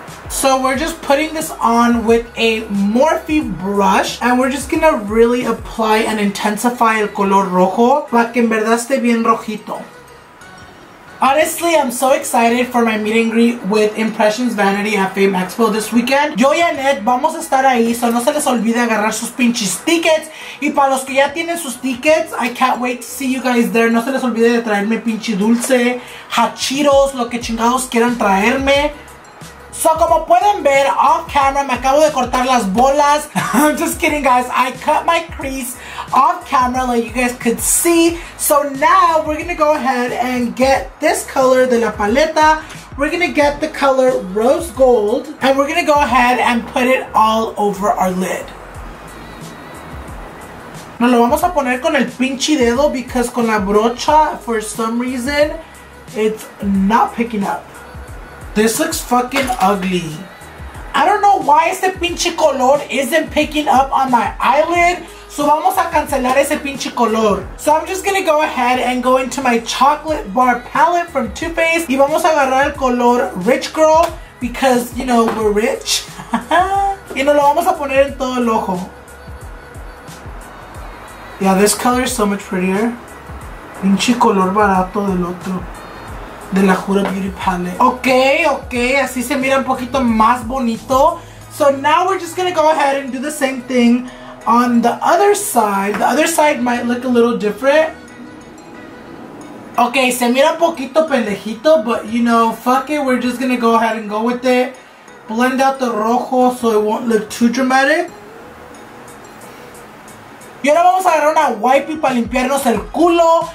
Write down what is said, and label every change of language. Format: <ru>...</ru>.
<en>So we're just putting this on with a Morphe brush and we're just gonna really apply and intensify</en> <es>el color rojo para que en verdad esté bien rojito.</es> <en>Honestly, I'm so excited for my meet and greet with Impressions Vanity at Fame Expo this weekend.</en> <es>Yo y Annette vamos a estar ahí, so no se les olvide agarrar sus pinches tickets. Y para los que ya tienen sus tickets,</es> <en>I can't wait to see you guys there.</en> <es>No se les olvide de traerme pinche dulce, hachiros, lo que chingados quieran traerme. So, como pueden ver, off camera, me acabo de cortar las bolas.</es> <en>I'm just kidding, guys. I cut my crease off camera like you guys could see. So, now we're going to go ahead and get this color</en> <es>de la paleta.</es> <en>We're going to get the color rose gold. And we're going to go ahead and put it all over our lid.</en> <es>Nos lo vamos a poner con el pinche dedo because con la brocha,</es> <en>for some reason, it's not picking up. This looks fucking ugly. I don't know why</en> <es>ese pinche color</es> <en>isn't picking up on my eyelid. So</en> <es>vamos a cancelar ese pinche color.</es> <en>So I'm just gonna go ahead and go into my chocolate bar palette from Too Faced.</en> <es>Y vamos a agarrar el color</es> <en>Rich Girl because, you know, we're rich.</en> <es>Y nos lo vamos a poner en todo el ojo.</es> <en>Yeah, this color is so much prettier.</en> <es>Pinche color barato del otro. De la Huda Beauty Palette. Okay, okay, así se mira un poquito más bonito.</es> <en>So now we're just gonna go ahead and do the same thing on the other side. The other side might look a little different. Okay,</en> <es>se mira un poquito pendejito,</es> <en>but you know, fuck it, we're just gonna go ahead and go with it. Blend out the rojo so it won't look too dramatic.</en> <es>Y ahora vamos a agarrar una wipey para limpiarnos el culo.</es>